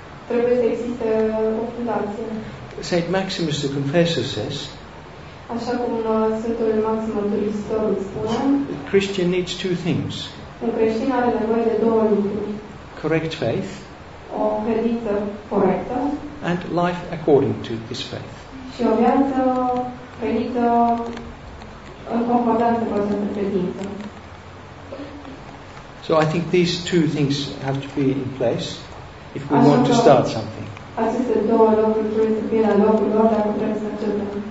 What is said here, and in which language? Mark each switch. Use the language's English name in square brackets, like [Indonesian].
[Romanian] Trebuie să existe o fundație. [English] Saint Maximus the Confessor says, [Romanian] așa cum Sfântul Maxim Mărturisitorul spune, [English] a Christian needs two things. [Romanian] Un creștin are nevoie de două lucruri. [English] Correct faith. [Romanian] O credință corectă. [English] And life according to this faith. [Romanian] Și o viață credită în concordanță cu această credință. [English] So I think these two things have to be in place if we want to start something. [Romanian] Aceste două lucruri trebuie să fie la locul lor dacă vrem să începem.